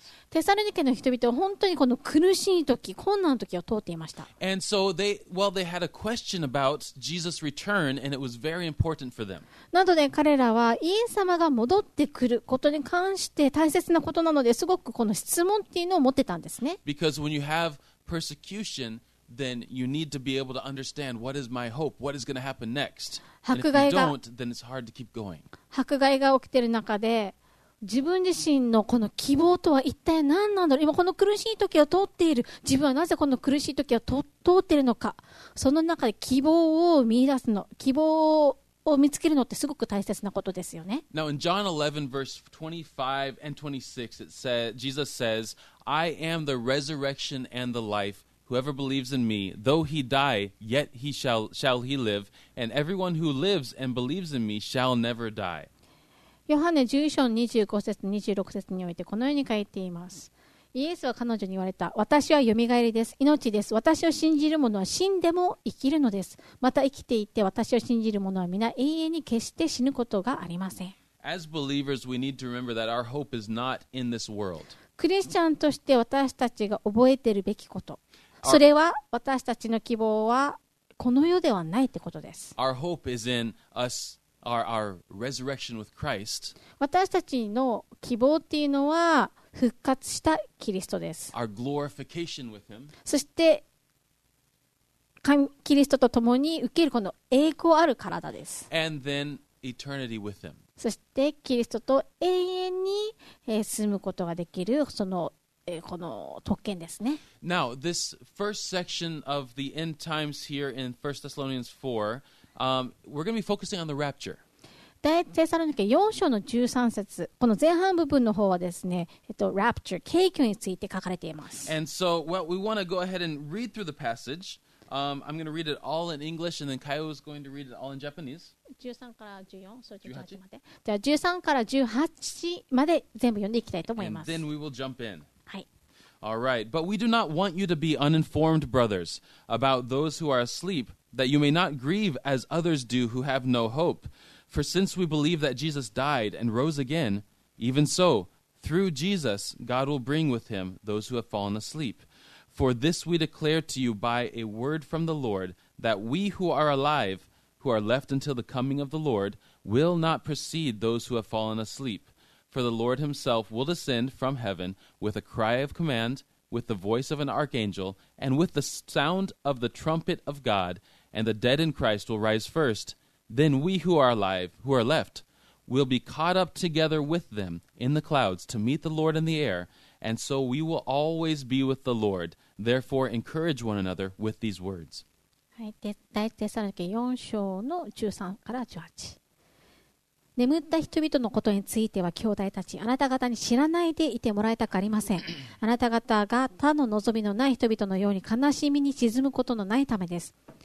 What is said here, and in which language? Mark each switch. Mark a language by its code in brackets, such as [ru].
[ja] テサロニケの人々は本当にこの苦しい時、困難の時を通っていました。 [en] And so they, well, they had a question about Jesus' return, and it was very important for them. [ja] なので彼らはイエス様が戻ってくることに関して大切なことなので、すごくこの質問っていうのを持ってたんですね。 [en] Because when you have persecution, then you need to be able to understand what is my hope, what is going to happen next. And if you don't, then it's hard to keep going. [ja] 迫害が起きている中で、自分自身のこの希望とは一体何なんだろう。今この苦しい時を通っている、自分はなぜこの苦しい時を通っているのか、その中で希望を見出すの、希望を見つけるのってすごく大切なことですよね。 [en] Now in John 11 verse 25 and 26 it says, Jesus says, I am the resurrection and the life. Whoever believes in me, though he die, yet he shall he live. And everyone who lives and believes in me shall never die. [ja] ヨハネ11章25節26節においてこのように書いています。イエスは彼女に言われた、私はよみがえりです、命です。私を信じる者は死んでも生きるのです。また生きていて私を信じる者は皆永遠に決して死ぬことがありません。 [en] As believers, we need to remember that our hope is not in this world. [ja] クリスチャンとして私たちが覚えているべきこと、それは私たちの希望はこの世ではないってことです。 [en] Our hope is in usOur resurrection with Christ. [ja] 私たちの希望っていうのは復活したキリストです。 [en] Our glorification with him. [ja] そしてキリストと共に受けるこの栄光ある体です。 [en] And then eternity with him. [ja] そしてキリストと永遠に住むことができるそのこの特権ですね。 [en] Now this first section of the end times here in 1 Thessalonians 4. We're going to be focusing on the rapture. [ja] 第テサロニケ4章の13節、この前半部分の方はですね、rapture、景気について書かれています。 [en] And so, well, we want to go ahead and read through the passage. I'm going to read it all in English, and then Kaio is going to read it all in Japanese. [ja] 13から14、そう、18まで。じゃあ13から18まで全部読んでいきたいと思います。 [en] And then we will jump in. Alright, but we do not want you to be uninformed, brothers, about those who are asleep, that you may not grieve as others do who have no hope. For since we believe that Jesus died and rose again, even so, through Jesus, God will bring with him those who have fallen asleep. For this we declare to you by a word from the Lord, that we who are alive, who are left until the coming of the Lord, will not precede those who have fallen asleep. For the Lord himself will descend from heaven with a cry of command, with the voice of an archangel, and with the sound of the trumpet of God, and the dead in Christ will rise first. Then we who are alive, who are left, will be caught up together with them in the clouds to meet the Lord in the air, and so we will always be with the Lord. Therefore, encourage one another with these words. [ja] 第テサロニケ4章の13から18。眠った人々のことについては兄弟たち、あなた方に知らないでいてもらいたくありません。あなた方が他の望みのない人々のように悲しみに沈むことのないためです。